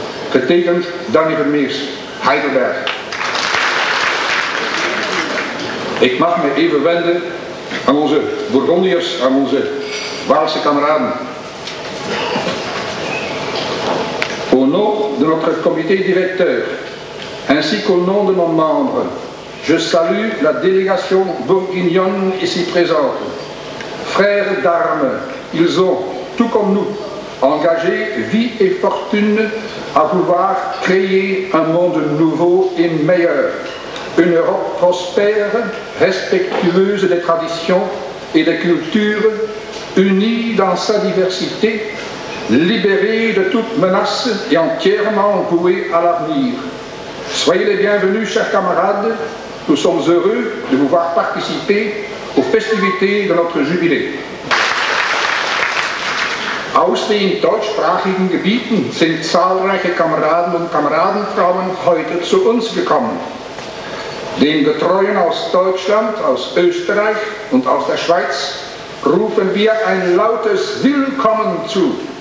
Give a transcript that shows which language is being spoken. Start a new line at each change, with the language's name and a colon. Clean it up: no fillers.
Dutch: Getekend Danny Vermeers, Heidelberg. Ik mag me even wenden aan onze Bourgondiërs, aan onze Waalse kameraden.
French: Au nom de notre comité directeur, ainsi qu'au nom de nos membres, je salue la délégation bourguignonne ici présente. Frères d'armes, ils ont, tout comme nous, engagé vie et fortune à pouvoir créer un monde nouveau et meilleur. Une Europe prospère, respectueuse des traditions et des cultures, unie dans sa diversité, libérée de toute menace et entièrement vouée à l'avenir. Soyez les bienvenus, chers camarades. Nous sommes heureux de vous voir participer aux festivités de notre jubilé.
German: Aus den deutschsprachigen Gebieten sind zahlreiche Kameraden und Kameradenfrauen heute zu uns gekommen. Den Getreuen aus Deutschland, aus Österreich und aus der Schweiz rufen wir ein lautes Willkommen zu.